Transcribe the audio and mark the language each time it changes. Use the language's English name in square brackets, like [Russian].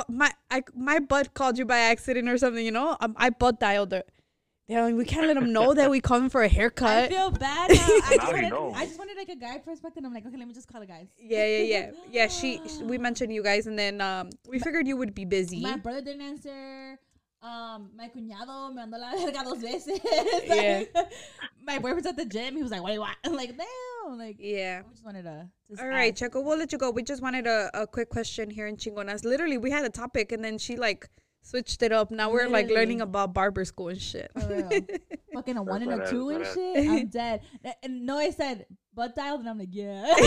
[English] My butt called you by accident or something, you know? I butt dialed her. Damn, we can't let him know that we call him for a haircut. I feel bad now. I just wanted like a guy perspective. And I'm like, okay, let me just call the guys. Yeah. We mentioned you guys, and then we figured you would be busy. My brother didn't answer. My [Spanish] cuñado me mandó la verga dos veces. [English] Like, yeah. My boyfriend's at the gym. He was like, "What do you want?" I'm like, damn. Like, yeah. All right, Checo, we'll let you go. We just wanted a quick question here in Chingonas. Literally, we had a topic, and then she like switched it up. Now we're like learning about barber school and shit. Oh, yeah. Fucking a one and a two and shit. I'm dead. And Noah said butt dialed, and I'm like, yeah.